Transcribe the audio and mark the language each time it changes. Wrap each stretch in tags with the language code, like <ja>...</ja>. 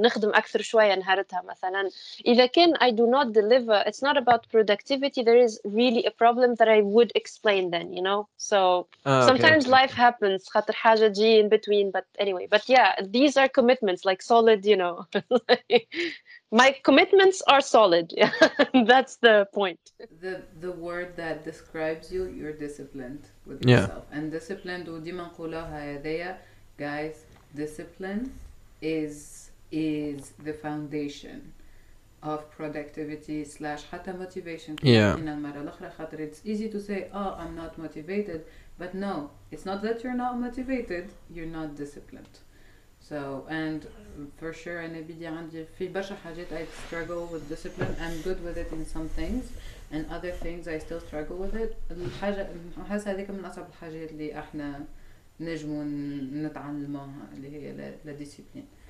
<ar>نخدم أكثر شوية نهارتها مثلا. إذا كان</ar> <en>I do not deliver, it's not about productivity. There is really a problem that I would explain then, you know? So sometimes life happens.</en> <ar>خاطر حاجة جي</ar> <en>in between. But anyway, but yeah, these are commitments, like solid, you know. My commitments are solid. That's the point. The word that describes you, you're disciplined with yourself. And disciplined,</en> <ar>وديما نقولوها هذيا,</ar> <en>guys, discipline is the foundation of productivity / حتى motivation. It's easy to say, oh, I'm not motivated. But no, it's not that you're not motivated, you're not disciplined. So, and for sure,</en> <ar>أنا بدي عندي في برشا حاجات</ar> <en>I struggle with discipline. I'm good with it in some things, and other things I still struggle with it.</en> <ar>الحاجة حاسة هذيك من أصعب الحاجات اللي إحنا نجمو نتعلموها اللي هي لا ديسيبلين.</ar>